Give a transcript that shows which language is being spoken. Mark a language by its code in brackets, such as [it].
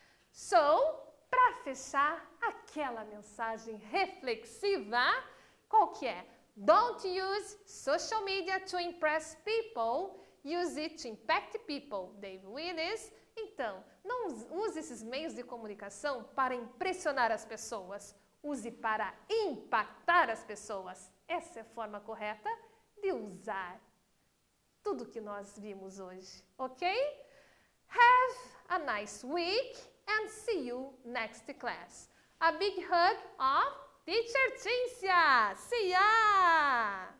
[pt] So, para fechar aquela mensagem reflexiva, qual que é? [en] Don't use social media to impress people, use it to impact people, Dave Willis. [pt] Então, não use esses meios de comunicação para impressionar as pessoas, use para impactar as pessoas. Essa é a forma correta de usar tudo que nós vimos hoje, ok? [en] Have a nice week and see you next class. A big hug of Teacher Cíntia! See ya!